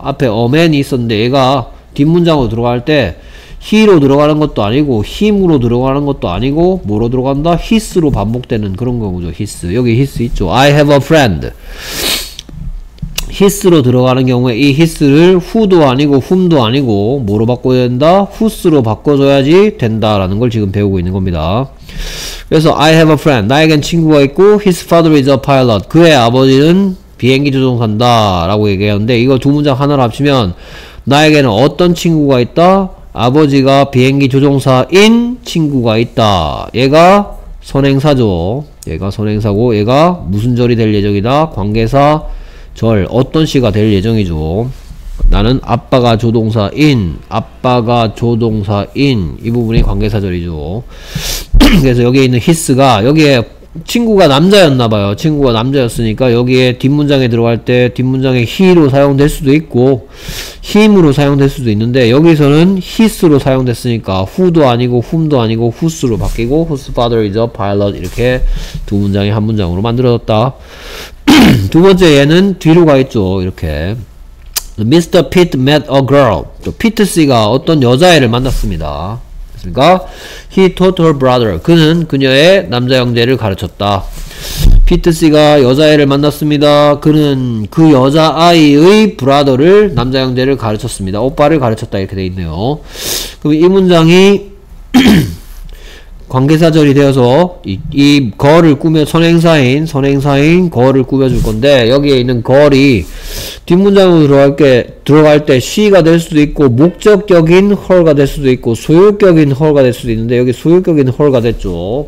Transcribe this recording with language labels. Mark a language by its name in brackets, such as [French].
[Korean] 앞에 어맨이 있었는데 얘가 뒷문장으로 들어갈 때 he로 들어가는 것도 아니고 him으로 들어가는 것도 아니고 뭐로 들어간다? his로 반복되는 그런 경우죠. [English] his. [Korean] 여기 [English] his [Korean] 있죠. [English] I have a friend. [Korean] his로 들어가는 경우에 이 his를 who도 아니고 whom도 아니고 뭐로 바꿔야 된다? whose로 바꿔줘야지 된다라는 걸 지금 배우고 있는 겁니다. 그래서 [English] I have a friend. [Korean] 나에겐 친구가 있고 [English] his father is a pilot. [Korean] 그의 아버지는 비행기 조종사다 라고 얘기하는데 이거 두 문장 하나로 합치면 나에게는 어떤 친구가 있다? 아버지가 비행기 조종사인 친구가 있다. 얘가 선행사죠. 얘가 선행사고 얘가 무슨 절이 될 예정이다? 관계사 절 어떤 시가 될 예정이죠. 나는 아빠가 조종사인 아빠가 조종사인 이 부분이 관계사 절이죠. 그래서 여기에 있는 히스가 여기에 친구가 남자였나봐요. 친구가 남자였으니까 여기에 뒷문장에 들어갈 때 뒷문장에 he로 사용될 수도 있고 him으로 사용될 수도 있는데 여기서는 his로 사용됐으니까 who도 아니고 whom도 아니고 whose로 바뀌고 [English] whose father is a pilot [Korean] 이렇게 두 문장이 한 문장으로 만들어졌다. 두 번째 얘는 뒤로 가있죠. 이렇게 [English] Mr. Pitt met a girl. [Korean] Pitt 씨가 어떤 여자애를 만났습니다. 그니까 [English] he taught her brother. [Korean] 그는 그녀의 남자 형제를 가르쳤다. Pete 씨가 여자애를 만났습니다. 그는 그 여자 아이의 브라더를 남자 형제를 가르쳤습니다. 오빠를 가르쳤다 이렇게 돼 있네요. 그럼 이 문장이 관계사절이 되어서 이 거를 꾸며 선행사인 거를 꾸며줄 건데 여기에 있는 거리 뒷문장으로 들어갈 때 she가 될 수도 있고 목적격인 her가 될 수도 있고 소유격인 her가 될 수도 있는데 여기 소유격인 her가 됐죠.